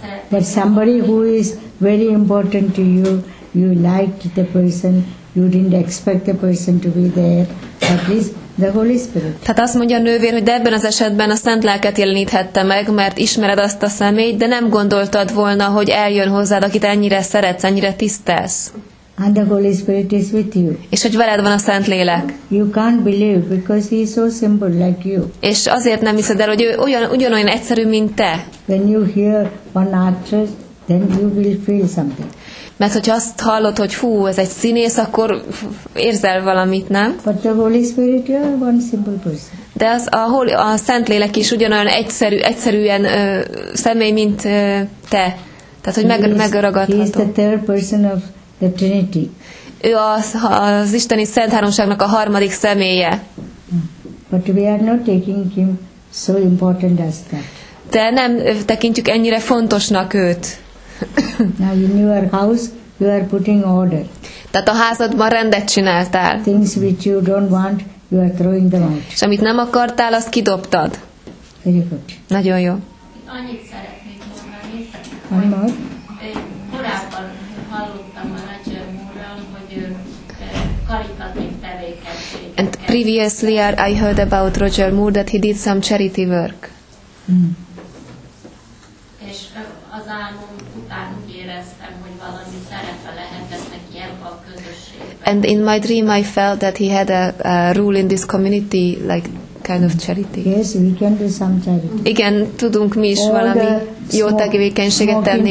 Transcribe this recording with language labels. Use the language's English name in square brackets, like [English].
[English] But somebody who is very important to you, you liked the person, you didn't expect the person to be there, at least the Holy Spirit. [Hungarian] Tehát azt mondja a nővér, hogy de ebben az esetben a szent lelket jelenítette meg, mert ismered azt a személyt, de nem gondoltad volna, hogy eljön hozzád, akit ennyire szeretsz, ennyire tisztelsz. [English] And the Holy Spirit is with you. [Hungarian] És hogy veled van a szent lélek. [English] You can't believe, because he is so simple like you. [Hungarian] És azért nem hiszed el, hogy ő ugyanolyan egyszerű, mint te. [English] When you hear one actress, then you will feel something. [Hungarian] Mert hogyha azt hallod, hogy hú, ez egy színész, akkor érzel valamit, nem? [English] But the Holy Spirit, you are one simple person. [Hungarian] De az a Szentlélek is ugyanolyan egyszerűen személy, mint te. Tehát, hogy megragadható. [English] He is the third person of the Trinity. [Hungarian] Ő az Isteni Szent Háromságnak a harmadik személye. [English] But we are not taking him so important as that. [Hungarian] De nem tekintjük ennyire fontosnak őt. [English] Now in your house you are putting order. [Hungarian] Tehát a házadban rendet csináltál. [English] Things which you don't want, you are throwing them out. [Hungarian] És amit nem akartál, azt kidobtad. [English] Very good. [Hungarian] Nagyon jó. Annyit szeretnék mondani, hogy korábban hallottam a Roger Moore-ról, hogy karitatív tevékenység. [English] And previously I heard about Roger Moore that he did some charity work. [Hungarian] És az álmom után úgy éreztem, hogy valami szerepe lehetett neki ebbe a közösségbe. [English] And in my dream I felt that he had a role in this community, like kind of charity. Yes, we can do some charity. [Hungarian] Igen, tudunk mi is valami jó tevékenységet tenni.